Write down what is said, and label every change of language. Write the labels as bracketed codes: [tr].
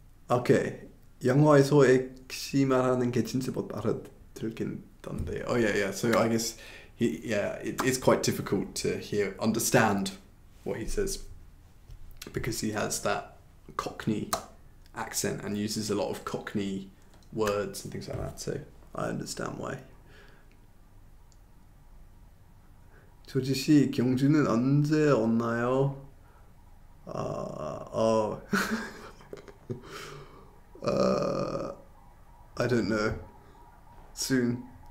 [ko] 오케이, 영화에서 엑시 말하는 게 진짜 못 알아들겠던데. [en] Oh yeah, yeah. So I guess it's quite difficult to hear, understand what he says because he has that Cockney accent and uses a lot of Cockney words and things like that. So I understand why. [ko] 조지 씨, 경주는 언제 왔나요? [en] I don't know. Soon.